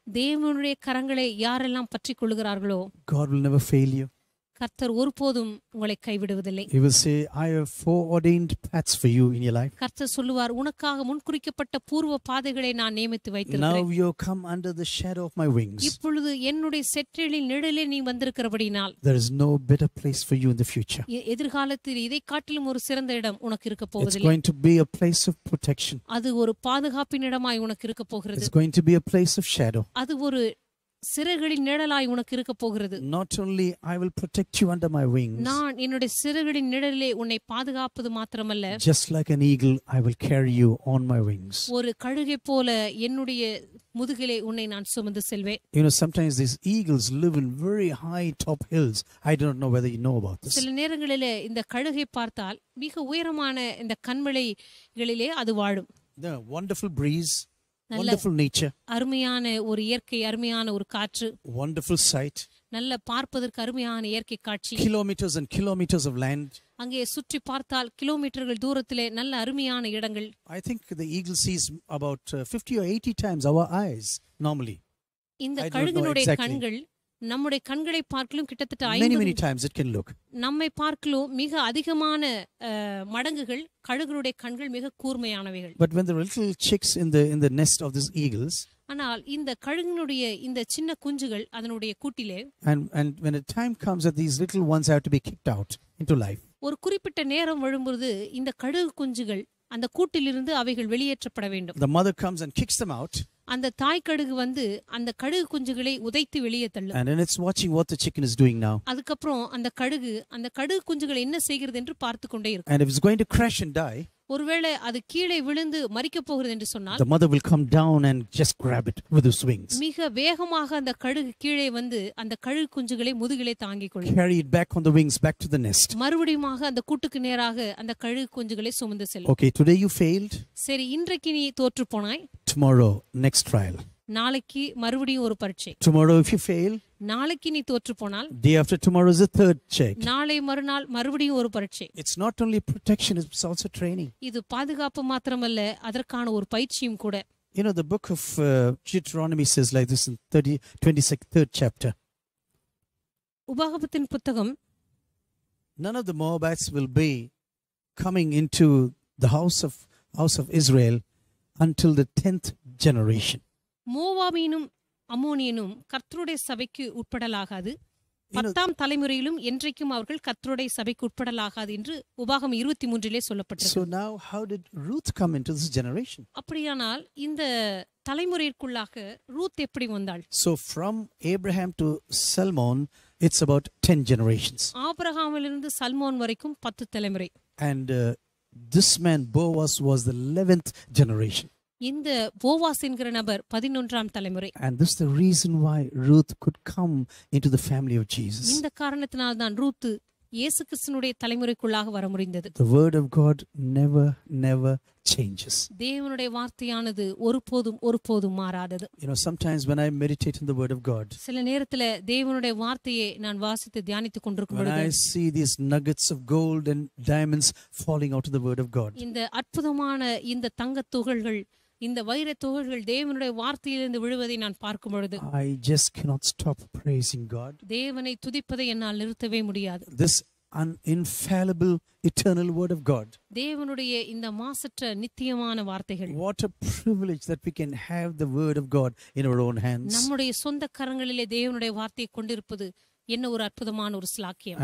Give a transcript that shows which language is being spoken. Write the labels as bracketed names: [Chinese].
[Tamil] தேவனுடைய கரங்களை யாரெல்லாம் பற்றிக் கொள்கிறார்களோ [English] God will never fail you [Tamil] கர்த்தர் ஒருபோதும் உங்களை கைவிடுவதில்லை [English] He will say I have foreordained paths for you in your life [Tamil] கர்த்தர் சொல்வார் உனக்காக முன்குறிக்கப்பட்ட பூர்வ பாதைகளை நான் நியமித்து வைத்திருக்கிறேன் [English] Now you come under the shadow of my wings [Tamil] இப்பொழுது என்னுடைய செட்டிலின் நிழலில் நீ வந்திருக்கிறபடியால் [English] There is no better place for you in the future [Tamil] எதிர்காலத்தில் இதைக் காட்டிலும் ஒரு சிறந்த இடம் உனக்கு இருக்க போவதில்லை [English] It's going to be a place of protection [Tamil] அது ஒரு பாதுகாப்பின் இடமாய் உனக்கு இருக்க போகிறது [English] It's going to be a place of shadow [Tamil] அது ஒரு சிறகுகளின் நிழலாய் உனக்கு இருக்க போகிறது [English] Not only I will protect you under my wings [Tamil] நான் என்னுடைய சிறகுகளின் நிழலிலே உன்னை பாதுகாப்பது மாத்திரமல்ல [English] Just like an eagle I will carry you on my wings [Tamil] ஒரு கழுகை போல என்னுடைய முதுகிலே உன்னை நான் சுமந்து செல்வேன் [English] You know sometimes these eagles live in very high top hills I don't know whether you know about this [Tamil] சில நேரங்களிலே இந்த கழுகை பார்த்தால் மிக உயரமான இந்த கன்மலைகளிலே அது வாழும் [English] The wonderful breeze Wonderful nature. [Tamil] அருமையான ஒரு இயற்கை, அருமையான ஒரு காற்று. [English] Wonderful sight. [Tamil] நல்ல பார்ப்பதற்கு அருமையான இயற்கை காட்சி. [English] Kilometers and kilometers of land. [Tamil] அங்கே சுற்றி பார்த்தால் கிலோமீட்டர்கள் தூரத்திலே நல்ல அருமையான இடங்கள். [English] I think the eagle sees about 50 or 80 times our eyes normally. [Tamil] இந்த கழுகினுடைய கண்கள் நம்முடைய கண்களை பார்க்கலும் கிட்டத்தட்ட [English] 50 many times it can look. [Tamil] நம்மை பார்க்கலும் மிக அதிகமான மடங்குகள் கழுகினுடைய கண்கள் மிக கூர்மையானவைகள். [English] But when the little chicks in the nest of these eagles. [Tamil] ஆனால் இந்த கழுகினுடைய இந்த சின்ன குஞ்சுகள் அதனுடைய கூட்டிலே [English] and when a time comes that these little ones have to be kicked out into life. [Tamil] ஒரு குறிப்பிட்ட நேரம் வரும்பொழுது இந்த கழுகு குஞ்சுகள் அந்த கூட்டிலிருந்து அவைகள் வெளியேற்றப்பட வேண்டும். [English] The mother comes and kicks them out. [Tamil] அந்த தாய் கழுகு வந்து அந்த கழுகு குஞ்சுகளை உதைத்து வெளியே தள்ளும். [English] And then it's watching what the chicken is doing now. [Tamil] அதுக்கப்புறம் அந்த கழுகு குஞ்சுகள் என்ன செய்கிறது என்று பார்த்து கொண்டே இருக்கும். [English] And if it's going to crash and die. [Tamil] ஒருவேளை அது கீழே விழுந்து மரிக்க போகிறது என்று சொன்னால் [English] the mother will come down and just grab it with her wings. [Tamil] மிக வேகமாக அந்த கழுகு கீழே வந்து அந்த கழுகு குஞ்சுகளை முதுகிலே தாங்கிக் கொள்ளும். [English] Carry it back on the wings back to the nest. [Tamil] மறுபடியும் அந்த கூட்டுக்கு நேராக அந்த கழுகு குஞ்சுகளை சுமந்து செல்லும். [English] Okay, today you failed. [Tamil] சரி, இன்றைக்கு நீ தோற்று போனாய். [English] Tomorrow next trial. [Tamil] நாளைக்கு மறுபடியும் ஒரு பரீட்சை. [English] Tomorrow if you fail. [Tamil] நாளைக்கு நீ தோற்று போனால் [English] day after tomorrow is a third check. [Tamil] நாளை மறுநாள் மறுபடியும் ஒரு பரீட்சை. [English] It's not only protection, it's also training. [Tamil] இது பாதுகாப்பு மாத்திரமல்ல அதற்கான ஒரு பயிற்சியும் கூட. [English] You know the book of Deuteronomy says like this in 23rd chapter. [Tamil] உபாகமத்தின் புத்தகம் [English] None of the Moabites will be coming into the house of Israel until the 10th generation. [Tamil] மோவாபீனும் அம்மோனியனும் கர்த்தருடைய சபைக்கு உட்படலாகாது பத்தாம் தலைமுறையிலும் என்றைக்கும் அவர்கள் கர்த்தருடைய சபைக்கு உட்படலாகாது என்று உபாகம் 23 சொல்லப்பட்டது. [English] So now how did Ruth come into this generation? [Tamil] அப்படியானால் இந்த தலைமுறைக்குள்ளாக ரூத் எப்படி வந்தாள்? [English] So from Abraham to Salmon it's about 10 generations. [Tamil] ஆபிரகாமிலிருந்து Salmon வரைக்கும் 10 தலைமுறை. [English] And this man Boaz was the 11th generation. [Tamil] இந்த போவாஸ் என்கிற நபர் 11 தலைமுறை. [English] And this is the reason why Ruth could come into the family of Jesus. [Tamil] இந்த காரணத்தினால தான் Ruth இயேசு கிறிஸ்துவின் தலைமுறைக்குள்ளாக வர முடிந்தது. [English] The word of God never changes. [Tamil] தேவனுடைய வார்த்தையானது ஒருபோதும் மாறாதது. [English] You know sometimes when I meditate in the word of God. [Tamil] சில நேரத்துல தேவனுடைய வார்த்தையை நான் வாசித்து தியானித்துக் கொண்டிருக்கும் பொழுது [English] I see these nuggets of gold and diamonds falling out of the word of God. [Tamil] இந்த அற்புதமான இந்த தங்கத் துகள்கள் இந்த வைர துகள்கள் தேவனுடைய வார்த்தையிலிருந்து விழுவதை நான் பார்க்கும் பொழுது [English] I just cannot stop praising God. [Tamil] தேவனை துதிப்பதை என்னால் நிறுத்தவே முடியாது. [English] This infallible eternal word of God. [Tamil] தேவனுடைய இந்த மாசற்ற நித்தியமான வார்த்தைகள். [English] What a privilege that we can have the word of God in our own hands. [Tamil] நம்முடைய சொந்த கரங்களிலே தேவனுடைய வார்த்தையை கொண்டிருப்பது என்ன ஒரு அற்புதமான ஒரு சிலாக்கியம்.